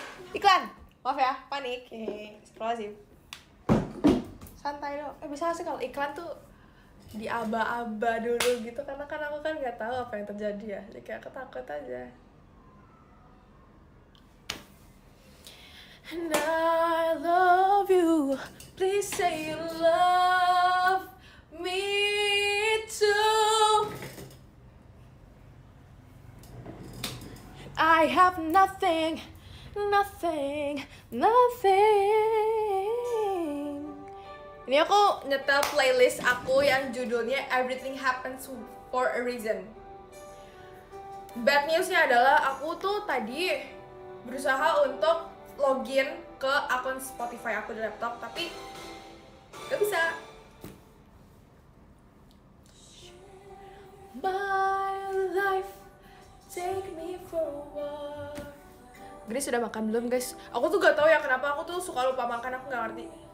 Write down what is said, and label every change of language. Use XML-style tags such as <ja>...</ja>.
<id>Iklan! Maaf ya, panik. Sekolah sih. Santai dong. Bisa gak sih kalau iklan tuh diaba-aba dulu gitu, karena kan aku kan gak tahu apa yang terjadi ya. Jadi kayak ketakut aja.</id> <en>And I love you, please say you love me too. I have nothing, nothing, nothing.</en> <id>Ini aku nyetel playlist aku yang judulnya Everything Happens for a Reason. Bad newsnya adalah aku tuh tadi berusaha untuk login ke akun Spotify aku di laptop, tapi gak bisa.</id> <en>My life, take me for a walk.</en> <id>Gris sudah makan belum guys? Aku tuh gak tahu ya kenapa aku tuh suka lupa makan, aku gak ngerti.</id>